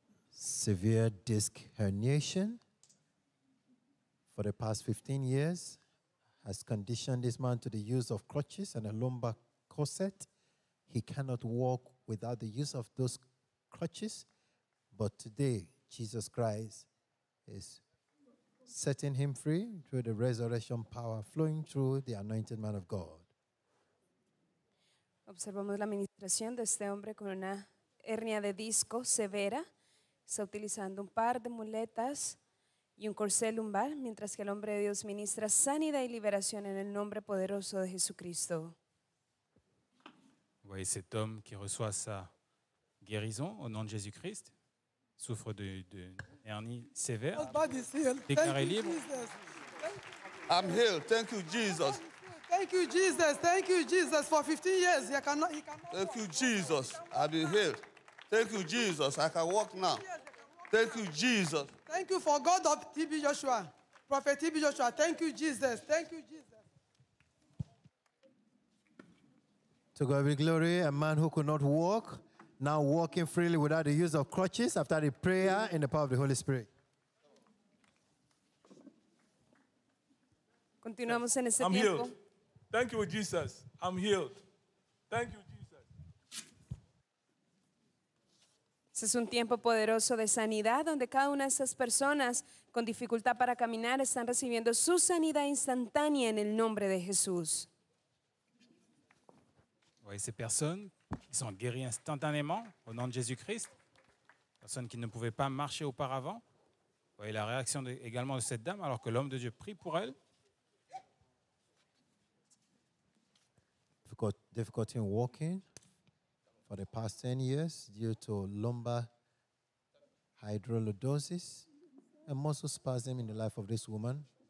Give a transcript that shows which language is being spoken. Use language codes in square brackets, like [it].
[en] Severe disc herniation for the past 15 years has conditioned this man to the use of crutches and a lumbar corset. He cannot walk without the use of those crutches. But today, Jesus Christ is setting him free through the resurrection power flowing through the anointed man of God. [es] Observamos la administración de este hombre con una hernia de disco severa. Está utilizando un par de muletas y un corsé lumbar, mientras que el hombre de Dios ministra sanidad y liberación en el nombre poderoso de Jesucristo. [fr] Voyez cet homme qui reçoit sa guérison au nom de Jésus-Christ, souffre de hernie sévère, déclaré libre. [en] I'm healed. Thank you, Jesus. Thank you, Jesus. Thank you, Jesus. For 15 years, he cannot. Thank you, Jesus. I've been healed. Thank you, Jesus. I can walk now. Thank you, Jesus. Thank you for God of TB Joshua, Prophet TB Joshua. Thank you, Jesus. Thank you, Jesus. To God be glory, a man who could not walk, now walking freely without the use of crutches after the prayer in the power of the Holy Spirit. [es] Continuamos en ese [en] I'm [es] tiempo. [en] Healed. Thank you, Jesus. I'm healed. Thank you, Jesus. [es] Es un tiempo poderoso de sanidad donde cada una de esas personas con dificultad para caminar están recibiendo su sanidad instantánea en el nombre de Jesús. [fr] Voyez ces personnes qui sont guéries instantanément au nom de Jésus-Christ, personnes qui ne pouvaient pas marcher auparavant. Voyez la réaction également de cette dame alors que l'homme de Dieu prie pour elle. [en] Difficulty in walking for the past 10 years due to lumbar hydrolordosis and muscle spasm in the life of this woman.